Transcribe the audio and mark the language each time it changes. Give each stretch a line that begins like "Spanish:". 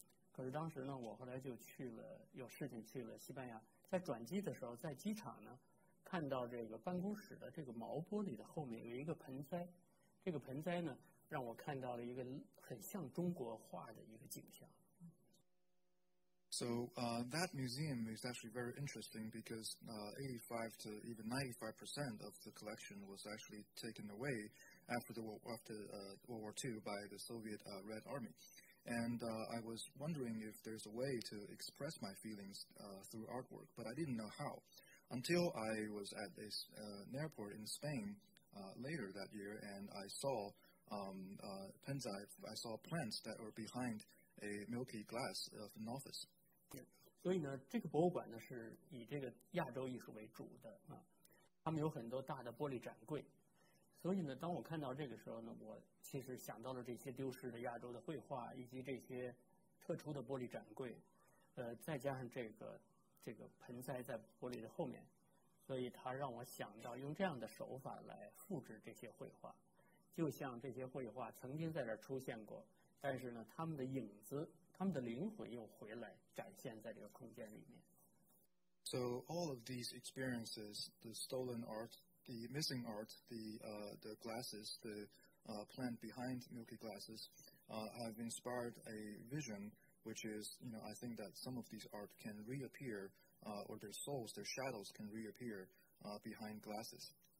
Chinese: 可是当时呢，我后来就去了，有事情去了西班牙，在转机的时候，在机场呢，看到这个办公室的这个毛玻璃的后面有一个盆栽，这个盆栽呢，让我看到了一个很像中国画的一个景象。
English: So, that museum is actually very interesting because 85% to even 95% of the collection was actually taken away after World War II by the Soviet Red Army. And I was wondering if there's a way to express my feelings through artwork, but I didn't know how. Until I was at an airport in Spain later that year, and I saw plants that were behind a milky glass of an office. Yeah.
Chinese: 所以呢，这个博物馆呢是以这个亚洲艺术为主的啊，他们有很多大的玻璃展柜。所以呢，当我看到这个时候呢，我其实想到了这些丢失的亚洲的绘画，以及这些特殊的玻璃展柜，再加上这个盆栽在玻璃的后面，所以它让我想到用这样的手法来复制这些绘画，就像这些绘画曾经在这儿出现过，但是呢，他们的影子、他们的灵魂又回来展现在这个空间里面。
English: So all of these experiences, the stolen art. The missing art, the glasses, the plant behind milky glasses, have inspired a vision, which is, you know, I think that some of these art can reappear, or their souls, their shadows can reappear behind glasses.